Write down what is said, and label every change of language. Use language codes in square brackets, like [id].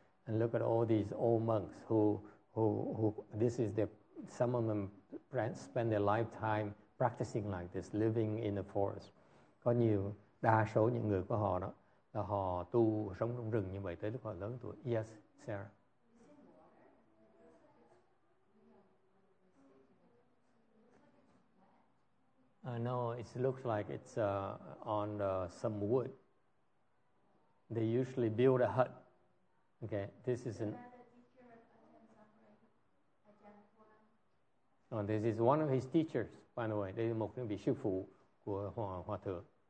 [en] And look at all these old monks who this is the some of them spend their lifetime practicing like this, living in the forest. [vi] Có nhiều đa số những người của họ đó là họ tu sống trong rừng như vậy tới lúc họ lớn tuổi. [en] Yes, Sarah. No, it looks like it's on some wood. They usually build a hut. Okay, this is an. Oh, this is one of his teachers, by the way. [vi] Đây là một vị sư phụ của hòa thượng.